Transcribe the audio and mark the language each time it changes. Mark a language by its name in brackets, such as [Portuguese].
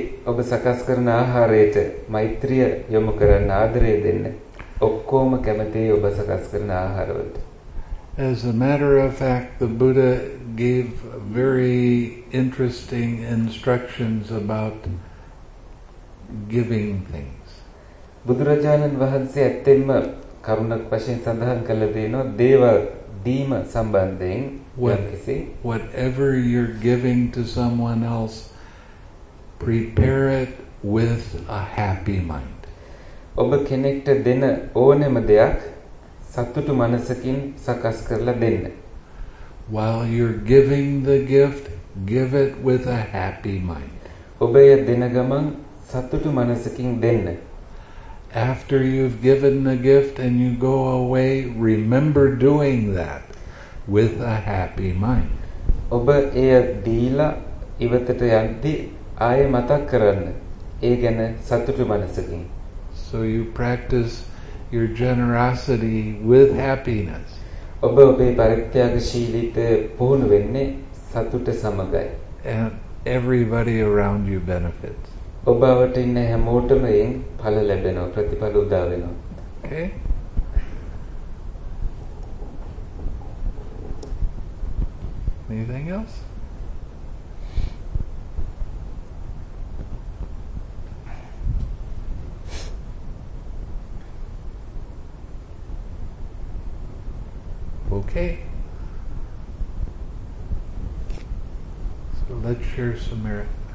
[Sinhala] ඔබ සකස් කරන ආහාරයට මෛත්‍රිය යොමු කරන්න ආදරය දෙන්න ඔක්කොම කැමති ඔබ සකස් කරන ආහාරවලට. [English] As a matter of fact, the Buddha gave very interesting instructions about giving things. [Sinhala] බුදුරජාණන් වහන්සේ ඇත්තෙන්ම කරුණක් වශයෙන් සඳහන් කළේ දෙනෝ දේවල් දීම සම්බන්ධයෙන් යම්කිසි [English] whatever you're giving to someone else prepare it with a happy mind [Sinhala] ඔබ කෙනෙක්ට දෙන ඕනෑම දෙයක් සතුටු මනසකින් සකස් කරලා දෙන්න [English] while you're giving the gift give it with a happy mind [Sinhala] ඔබ එය දෙන ගමන් සතුටු මනසකින් දෙන්න [English] After you've given the gift and you go away, remember doing that with a happy mind. [Sinhala] ඔබ එය දීලා ඉවතට යද්දී ආයෙ මතක් කරන්න ඒ ගැන සතුටු මනසකින්. [English] So you practice your generosity with happiness. [Sinhala] ඔබ ඔබේ පරිත්‍යාගශීලීත්වය පුහුණු වෙන්නේ සතුට සමගයි. [English] And everybody around you benefits. [Sinhala] ඔබවට ඉන්න හැමෝටම එයින් ඵල ලැබෙනවා ප්‍රතිඵල උදා වෙනවා [English] okay anything else okay so let's share some merit